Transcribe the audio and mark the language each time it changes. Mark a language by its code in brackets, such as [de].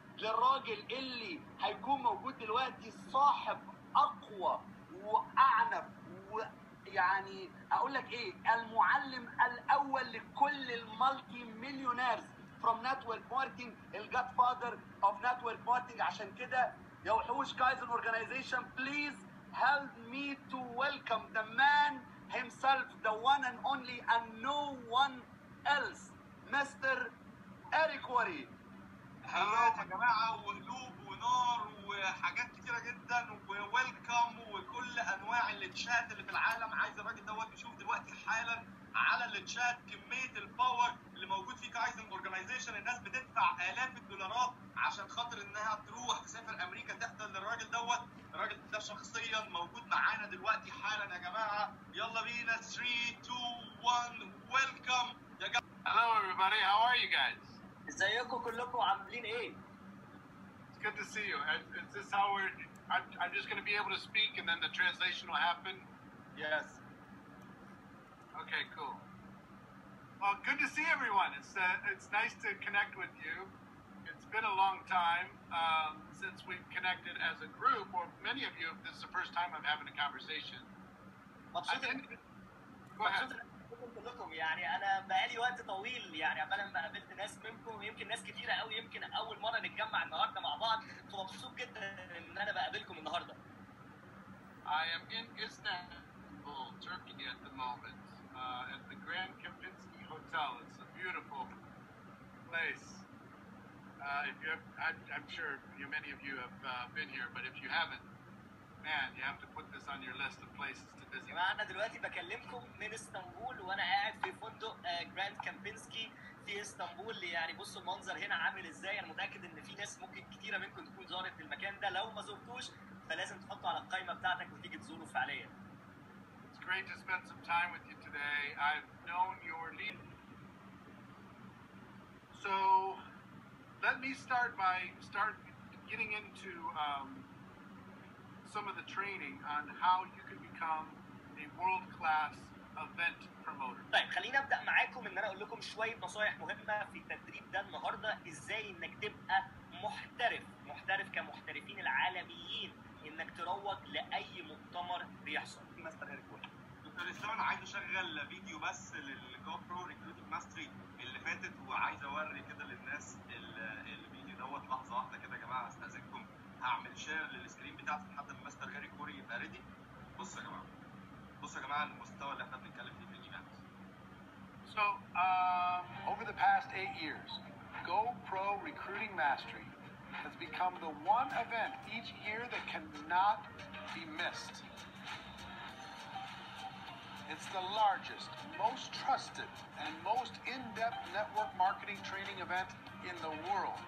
[ar] للراجل اللي هيكون موجود دلوقتي صاحب اقوى واعنف ويعني اقول لك ايه المعلم الاول لكل المالتي مليونيرز [en] from network marketing, the godfather of network marketing. [ar] عشان كده يا وحوش كايزن [en] organization, please help me to welcome the man himself, the one and only and no one else, Mr. Eric Worre. [ar] هلا يا جماعة, وقلوب ونار وحاجات كتيرة جدا, ووالكم وكل انواع التشات اللي في العالم. عايز الراجل دوت يشوف دلوقتي حالا على التشات كمية الباور اللي موجود في كايزن اورجانيزيشن. الناس بتدفع الاف الدولارات عشان خاطر انها تروح تسافر امريكا تحضر للراجل دوت. الراجل ده شخصيا موجود معانا دلوقتي حالا يا جماعة. يلا بينا 3 2 1, ويلكم يا جماعة. [en] Hello everybody, how are you guys? [ar] ازيكم كلكم, عاملين ايه؟ [en] It's good to see you. Is this how we're... I'm just going to be able to speak and then the translation will happen? Yes. Okay, cool. Well, good to see everyone. It's nice to connect with you. It's been a long time since we've connected as a group, or many of you, if this is the first time I'm having a conversation. Go ahead. [ar] لكم يعني انا بقالي وقت طويل يعني عمال ما قابلت ناس منكم, يمكن ناس كتيره قوي, يمكن اول مره نتجمع النهارده مع بعض. فمبسوط جدا ان انا بقابلكم النهارده. [en] I am in Istanbul, Turkey at the moment, at the Grand Kempinski Hotel. It's a beautiful place. I'm sure you, many of you have been here, but if you haven't, man, you have to put this on your list of places to visit. [ar] أنا دلوقتي بكلمكم من إسطنبول وأنا قاعد في فندق جراند كامبينسكي في إسطنبول. يعني بصوا المنظر هنا عامل إزاي. أنا متأكد إن في ناس ممكن كتيرة منكم تكون زارت المكان ده. لو ما زرتوش فلازم تحطه على القائمة بتاعتك وتيجي تزوره فعليا. [en] It's great to spend some time with you today. I've known your lead. So, let me start by getting into some of the training on how you can become a world-class event promoter. [ar] طيب خلينا ابدا معاكم ان انا اقول لكم شويه نصايح مهمه في التدريب ده النهارده ازاي انك تبقى محترف محترف كمحترفين العالميين انك تروج لاي مؤتمر بيحصل. مستر هيريك وور دكتور اسلام انا عايز اشغل فيديو بس للجو برو ريكروتنج ماستري اللي فاتت وعايز اوري كده للناس الفيديو دوت لحظه واحده كده يا جماعه استاذنكم هعمل شير للسكرين بتاعتي لحد ما مستر هيريك وور يبقى ريدي. بصوا يا جماعه بصوا يا جماعه المستوى اللي احنا بنتكلم فيه في الايفنت. [en] So over the past 8 years GoPro Recruiting Mastery has become the one event each year that cannot be missed. It's the largest, most trusted, and most in-depth network marketing training event in the world.